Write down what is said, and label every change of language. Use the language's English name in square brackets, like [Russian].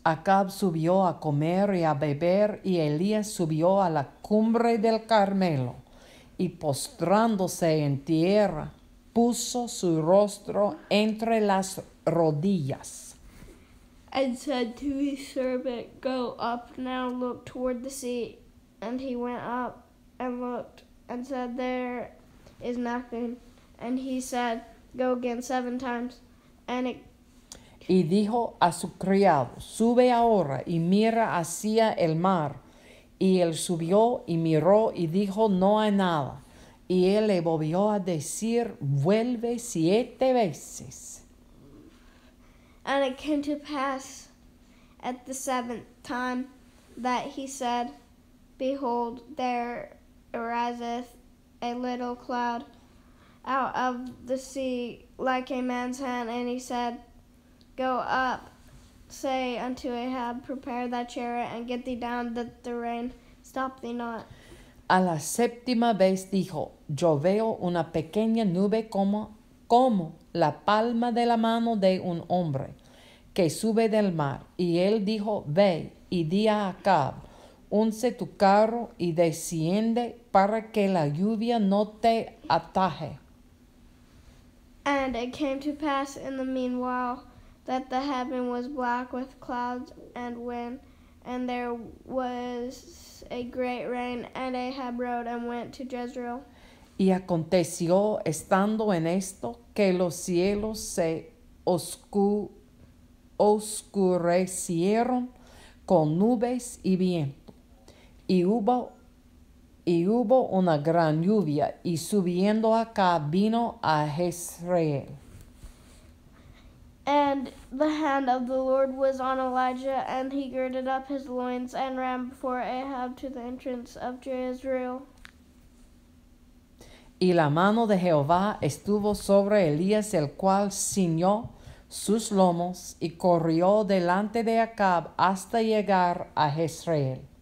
[Spanish] Acab subió a comer y a beber, y Elías subió a la cumbre del Carmelo, y postrándose en tierra, puso su rostro entre las rodillas. [English] And said to his servant, go up now, look toward the sea. And he went up and looked and said, there is nothing. And he said, go again 7 times. And it... [Spanish] Y dijo a su criado, sube ahora y mira hacia el mar. Y él subió y miró y dijo, no hay nada. Y él le volvió a decir, vuelve 7 veces. [English] And it came to pass at the 7th time that he said, behold, there ariseth a little cloud out of the sea like a man's hand. And he said, go up, say unto Ahab, prepare thy chariot and get thee down, that the rain stop thee not. [Spanish] A la 7ª vez dijo, yo veo una pequeña nube como la palma de la mano de un hombre que sube del mar. Y él dijo, ve y di a Acab, unce tu carro y desciende para que la lluvia no te ataje. [English] And it came to pass in the meanwhile that the heaven was black with clouds and wind, and there was a great rain, and Ahab rode and went to Jezreel. [Spanish] Y aconteció, estando en esto, que los cielos se oscurecieron con nubes y viento, y hubo una gran lluvia, y subiendo acá vino a Jezreel. [English] And the hand of the Lord was on Elijah, and he girded up his loins and ran before Ahab to the entrance of Jezreel. [Spanish] Y la mano de Jehová estuvo sobre Elías, el cual ciñó sus lomos y corrió delante de Acab hasta llegar a Jezreel.